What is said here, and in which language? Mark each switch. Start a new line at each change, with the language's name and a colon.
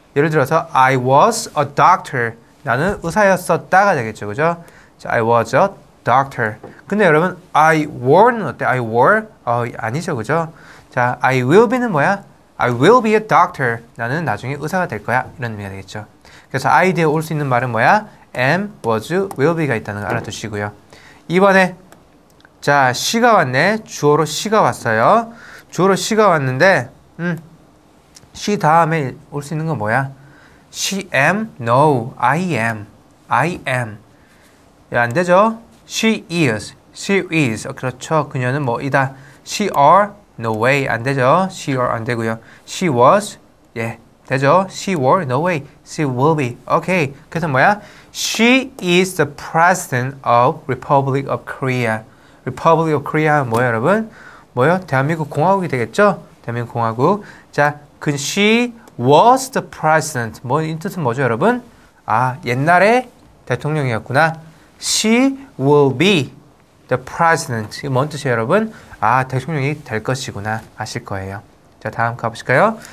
Korean: 예를 들어서,
English: I was a doctor.
Korean: 나는 의사였었다가 되겠죠, 그죠?
English: I was a doctor.
Korean: 근데 여러분,
English: I were는 어때? I were?
Korean: 아니죠, 그죠?
English: 자, I will be는
Korean: 뭐야?
English: I will be a doctor.
Korean: 나는 나중에 의사가 될 거야. 이런 의미가 되겠죠. 그래서 I 뒤에 올수 있는 말은 뭐야? am, was, will be가 있다는 걸 알아두시고요. 이번에 자, 시가 왔네. 주어로 시가 왔어요. 주어로 시가 왔는데, 시 다음에 올수 있는 건 뭐야?
English: She am? No, I am. I am.
Korean: 야, 안 되죠?
English: She is. She is.
Korean: 그렇죠. 그녀는 뭐이다.
English: She are? No way.
Korean: 안 되죠?
English: She are
Korean: 안 되고요.
English: She was?
Korean: 예, 되죠?
English: She were? No way. She will be. Okay.
Korean: 그래서 뭐야?
English: She is the president of Republic of Korea.
Korean: Republic of Korea 뭐예요, 여러분? 뭐요? 대한민국 공화국이 되겠죠? 대한민국 공화국. 자, 그
English: she was the president.
Korean: 뭐, 이 뜻은 뭐죠, 여러분? 아, 옛날에 대통령이었구나.
English: She will be the president.
Korean: 이게 뭔 뜻이에요, 여러분? 아, 대통령이 될 것이구나. 아실 거예요. 자, 다음 가보실까요?